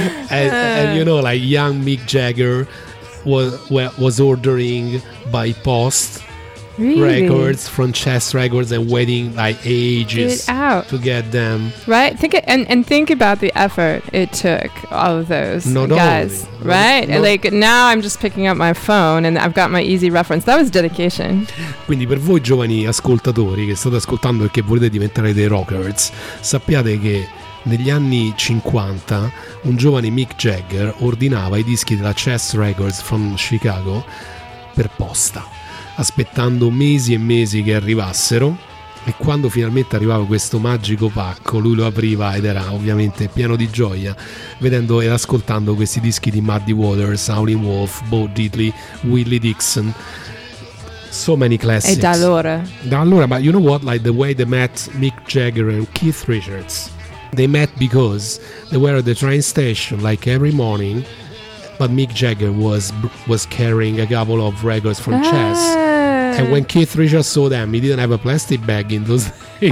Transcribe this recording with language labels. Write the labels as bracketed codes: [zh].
[en] and you know, like young Mick Jagger was ordering by post. Really? Records from Chess Records and waiting like ages to get them. Right? Think it, and think about the effort it took, all of those not guys. Only. Right? Not like now I'm just picking up my phone and I've got my easy reference. That was dedication. [it] Quindi per voi giovani ascoltatori che state ascoltando e che volete diventare dei rockers, sappiate che negli anni 50 un giovane Mick Jagger ordinava i dischi della Chess Records [en] from Chicago [it] per posta, aspettando mesi e mesi che arrivassero, e quando finalmente arrivava questo magico pacco, lui lo apriva ed era ovviamente pieno di gioia vedendo e ascoltando questi dischi di Muddy Waters, Howlin' Wolf, Bo Diddley, Willie Dixon, [en] so many classics. [it] E da allora? Da allora, [en] but you know what, like the way they met Mick Jagger and Keith Richards, they met because they were at the train station like every morning. But Mick Jagger was carrying a couple of records from Chess. And when Keith Richards saw them, he didn't have a plastic bag in those days.